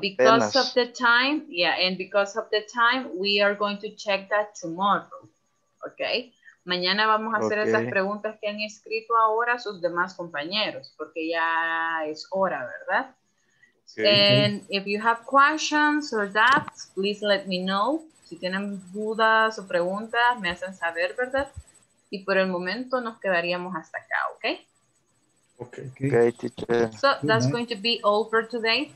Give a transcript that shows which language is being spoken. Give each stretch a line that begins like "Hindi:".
English: Because of the time, because of the time, we are going to check that tomorrow. Okay.
Spanish: Mañana vamos a hacer esas preguntas que han escrito ahora sus demás compañeros, porque ya es hora, ¿verdad?
English: And if you have questions or doubts, please let me know.
Spanish: Si tienen dudas o preguntas, me hacen saber, ¿verdad? Y por el momento nos quedaríamos hasta acá, ¿ok?
English: Okay, okay, teacher. So that's going to be all for today.